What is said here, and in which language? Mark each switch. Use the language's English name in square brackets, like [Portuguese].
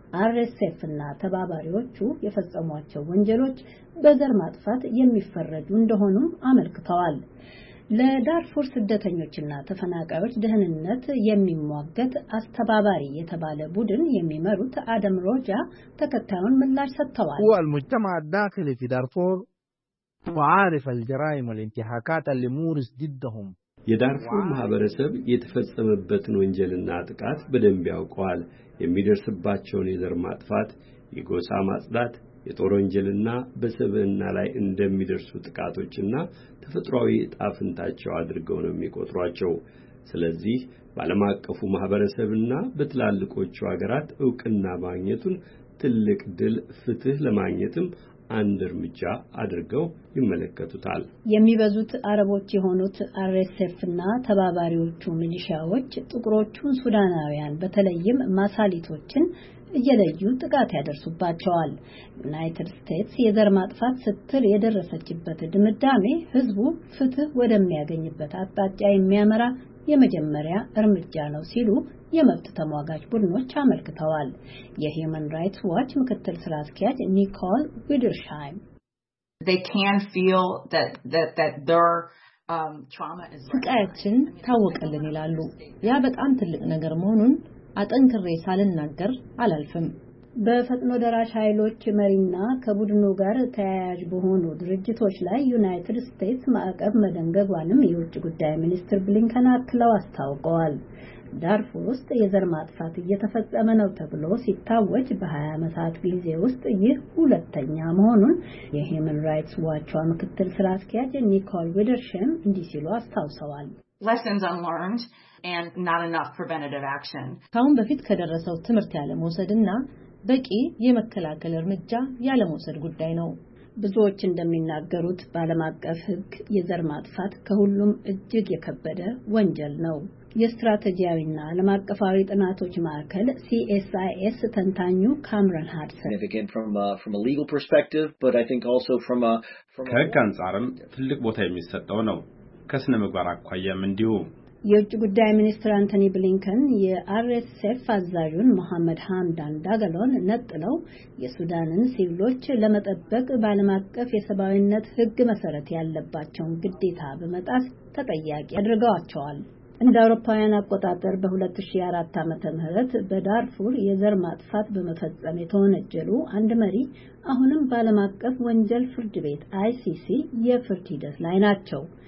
[Amharic] RSF እና ተባባሪዎቹ የፈጸሟቸው ወንጀሎች በዘር ማጥፋት የሚፈረዱ እንደሆኑም አመልክተዋል። ለዳርፉር ስደተኞችና ተፈናቃዮች ደህንነት የሚሟገት አስተባባሪ የተባለ ቡድን የሚመሩት አደም ሮጃ ተከታዩን ምላሽ ሰጥተዋል። [Arabic] والمجتمع الداخل في دارفور وعارف الجرائم والانتهاكات اللي مورس ضدهم [Amharic] የዳርፉር ማህበረሰብ የተፈጸመበትን ወንጀልና ጥቃት በደንብ ያውቃል። የሚደርስባቸውን የዘር ማጥፋት፣ የጎሳ ማጽዳት፣ የጦር ወንጀልና በሰብዕና ላይ እንደሚደርሱ ጥቃቶችና ተፈጥሯዊ ጣፍንታቸው አድርገው ነው የሚቆጥሯቸው። ስለዚህ ባለም አቀፉ ማህበረሰብና በትላልቆቹ ሀገራት እውቅና ማግኘቱን ትልቅ ድል፣ ፍትህ ለማግኘትም አንድ እርምጃ አድርገው ይመለከቱታል። የሚበዙት አረቦች የሆኑት አርኤስኤፍ እና ተባባሪዎቹ ሚሊሻዎች ጥቁሮቹን ሱዳናውያን በተለይም ማሳሊቶችን እየለዩ ጥቃት ያደርሱባቸዋል። ዩናይትድ ስቴትስ የዘር ማጥፋት ስትል የደረሰችበት ድምዳሜ ህዝቡ ፍትህ ወደሚያገኝበት አጣጫ የሚያመራ የመጀመሪያ እርምጃ ነው ሲሉ የመብት ተሟጋች ቡድኖች አመልክተዋል። የሂዩማን ራይትስ ዋች ምክትል ስራ አስኪያጅ ኒኮል ዊድርሻይም [English] They can feel that their trauma is [Amharic] ስቃያችን ታወቀልን ይላሉ። ያ በጣም ትልቅ ነገር መሆኑን አጠንክሬ ሳልናገር አላልፍም። በፈጥኖ ደራሽ ኃይሎች መሪና ከቡድኑ ጋር ተያያዥ በሆኑ ድርጅቶች ላይ ዩናይትድ ስቴትስ ማዕቀብ መደንገጓንም የውጭ ጉዳይ ሚኒስትር ብሊንከን አክለው አስታውቀዋል። ዳርፉር ውስጥ የዘር ማጥፋት እየተፈጸመ ነው ተብሎ ሲታወጅ በ20 ዓመታት ጊዜ ውስጥ ይህ ሁለተኛ መሆኑን የሂዩማን ራይትስ ዋች ምክትል ስራ አስኪያጅ ኒኮል ዊደርሸም እንዲህ ሲሉ አስታውሰዋል። [English] Lessons unlearned and not enough preventative action. [Amharic] ታውን በፊት ከደረሰው ትምህርት ያለመውሰድና በቂ የመከላከል እርምጃ ያለመውሰድ ጉዳይ ነው። ብዙዎች እንደሚናገሩት ባለም አቀፍ ሕግ የዘር ማጥፋት ከሁሉም እጅግ የከበደ ወንጀል ነው። የስትራቴጂያዊና ዓለም አቀፋዊ ጥናቶች ማዕከል CSIS ተንታኙ ካምረን ሃድሰን [English] Again from a legal perspective but I think also from [Amharic] ከሕግ አንጻርም ትልቅ ቦታ የሚሰጠው ነው። ከስነ ምግባር አኳያም እንዲሁ የውጭ ጉዳይ ሚኒስትር አንቶኒ ብሊንከን የአርኤስኤፍ አዛዡን መሐመድ ሐምዳን ዳገሎን ነጥለው የሱዳንን ሲቪሎች ለመጠበቅ ባለም አቀፍ የሰብአዊነት ሕግ መሰረት ያለባቸውን ግዴታ በመጣስ ተጠያቂ አድርገዋቸዋል። እንደ አውሮፓውያን አቆጣጠር በ2004 ዓመተ ምህረት በዳርፉር የዘር ማጥፋት በመፈጸም የተወነጀሉ አንድ መሪ አሁንም ባለም አቀፍ ወንጀል ፍርድ ቤት ICC የፍርድ ሂደት ላይ ናቸው።